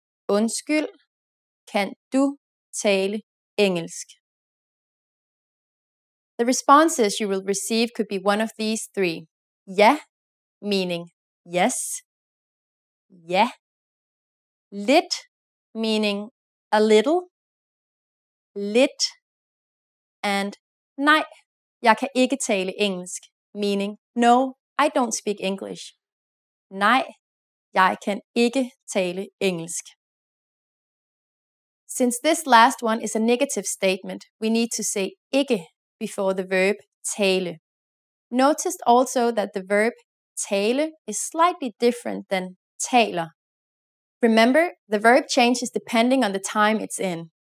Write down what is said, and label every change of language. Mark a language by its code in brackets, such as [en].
[da] Undskyld, kan du tale engelsk? [en] The responses you will receive could be one of these three. Ja, meaning yes. Ja. Lit, meaning a little. Lit. And [da] nej, jeg kan ikke tale engelsk, [en] meaning no, I don't speak English. [da] Nej, jeg kan ikke tale engelsk. [en] Since this last one is a negative statement, we need to say ikke before the verb tale. Notice also that the verb tale is slightly different than taler. Remember, the verb changes depending on the time it's in.